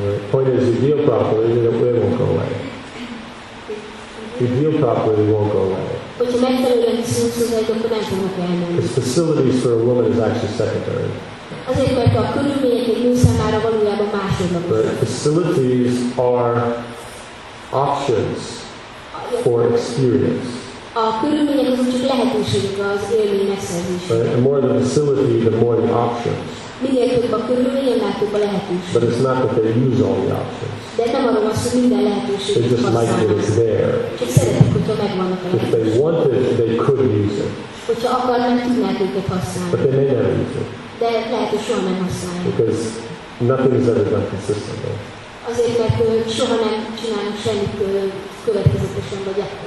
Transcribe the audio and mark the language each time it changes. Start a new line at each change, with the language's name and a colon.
English: Point is, you deal properly, it won't go away. You deal properly, it won't go away.
Hungarian: Hogyha megfelelően viszonyulsz, akkor nem fognak elmenni.
English: Its facilities for a woman is actually secondary.
Hungarian: Azért, mert a körülmények egy nő számára valójában másodlagos.
English: But facilities are options for experience.
Hungarian: A körülmények azon csak lehetőségek az élmény megszerzésére.
English: The more the facility, the more the options.
Hungarian: Minél több a körülmény, annál több a lehetőség.
English: But it's not that they use all the options.
Hungarian: De nem arról van szó, hogy minden lehetőség.
English: They just like that it's there.
Hungarian: Csak szeretik, hogyha megvannak a lehetőség.
English: If they wanted, they could use it.
Hungarian: Hogyha akarnak, tudnák őket használni.
English: But they may never use it.
Hungarian: De lehet, hogy soha nem használják.
English: Because nothing is ever done consistently.
Hungarian: Azért, mert soha nem csinálunk semmit következetesen, vagy